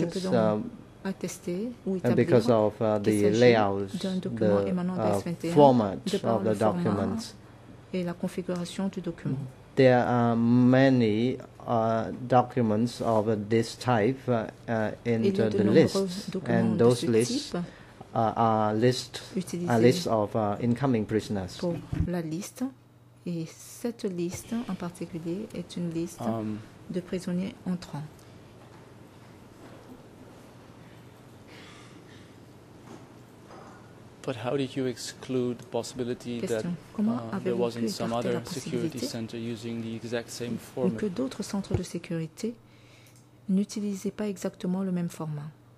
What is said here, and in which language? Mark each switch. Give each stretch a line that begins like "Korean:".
English: Because of the layout, the format of the documents.
French: Et la configuration du document.
English: There are many documents of this type in the list, and those lists are lists of incoming prisoners.
French: Pour la liste, et cette liste en particulier est une liste de prisonniers entrants.
English: But how did you exclude the possibility there wasn't some other security center using the exact same format?
French: Que d'autres centres de sécurité n'utilisaient pas exactement le même format.